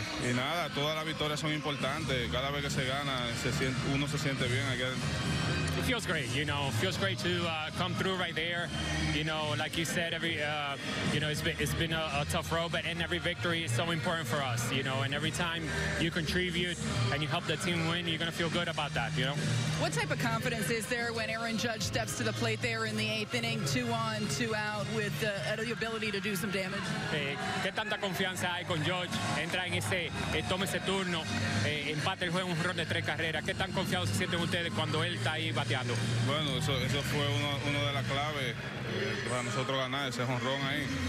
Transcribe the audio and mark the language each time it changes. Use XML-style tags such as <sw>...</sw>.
<es>Y nada, todas las victorias son importantes. Cada vez que se gana, uno se siente bien aquí adentro.</es> <en>It feels great, you know. Feels great to come through right there. You know, like you said, it's been a tough road, but in every victory is so important for us, you know. And every time you contribute and you help the team win, you're gonna feel good about that, you know. What type of confidence is there when Aaron Judge steps to the plate there in the eighth inning, two on, two out, with the ability to do some damage?</en> <es>¿Qué tanta confianza hay con Judge? Entra en ese, toma ese turno, empate el juego, un run de tres carreras. ¿Qué tan confiados se sienten ustedes cuando él está ahí bateando? Bueno, eso fue uno de las claves para nosotros ganar ese jonrón ahí.</es>